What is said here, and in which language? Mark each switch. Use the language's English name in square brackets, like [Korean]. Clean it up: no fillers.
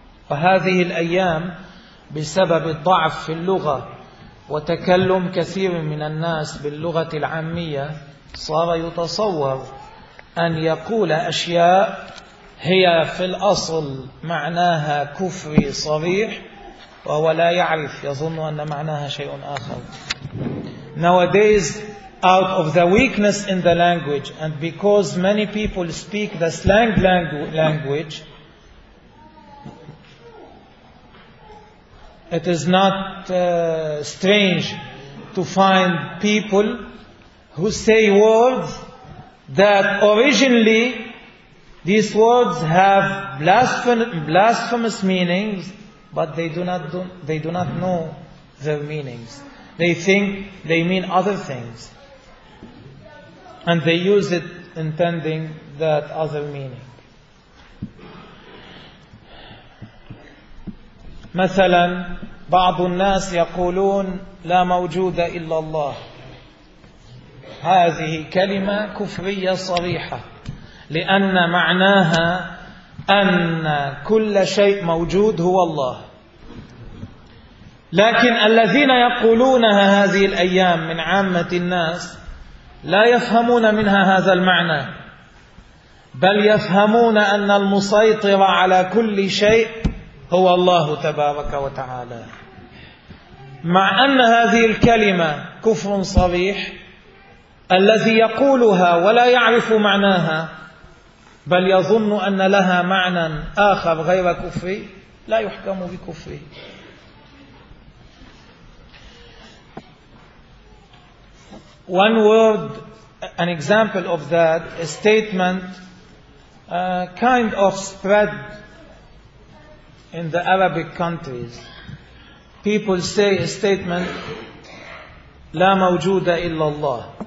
[Arabic] وهذه الأيام بسبب الضعف في اللغة وتكلم كثير من الناس باللغة العامية صار يتصور أن يقول أشياء هي في الأصل معناها كفري صريح وهو لا يعرف، يظن أن معناها شيء آخر. [English] Nowadays, out of the weakness in the language and because many people speak the slang language, it is not strange to find people who say words that originally these words have blasphemous meanings, but they do not know their meanings. They think they mean other things, and they use it intending that other meaning. [Arabic] مثلا بعض الناس يقولون لا موجود إلا الله، هذه كلمة كفرية صريحة لأن معناها أن كل شيء موجود هو الله. لكن الذين يقولونها هذه الأيام من عامة الناس لا يفهمون منها هذا المعنى، بل يفهمون أن المسيطر على كل شيء هو الله تبارك وتعالى. مع أن هذه الكلمة كفر صريح، الذي يقولها ولا يعرف معناها بل يظن أن لها معنى آخر غير كفري لا يحكم بكفره. [English] One word, an example of that, a statement, a kind of spread in the Arabic countries. People say a statement, [Arabic] لا موجود إلا الله.